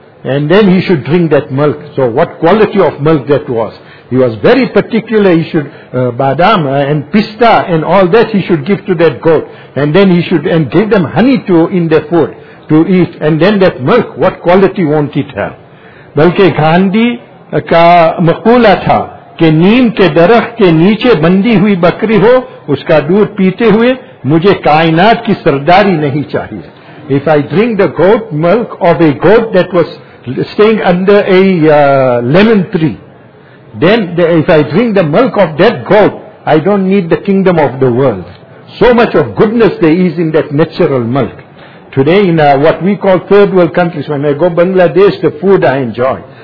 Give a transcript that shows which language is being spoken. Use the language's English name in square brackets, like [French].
[English] And then he should drink that milk. So what quality of milk that was. He was very particular, he should, badam and pista and all that he should give to that goat. And then he should, and give them honey to in their food to eat. And then that milk, what quality won't it have? [Urdu] بلکہ گاندی کا مقولہ تھا کہ نیم کے درخت کے نیچے بندی ہوئی بکری ہو اس کا دودھ پیتے ہوئے مجھے کائنات کی سرداری نہیں چاہیے. [English] If I drink the goat milk of a goat that was staying under a lemon tree, then if I drink the milk of that goat, I don't need the kingdom of the world. So much of goodness there is in that natural milk. Today in what we call third world countries, when I go to Bangladesh, the food I enjoy.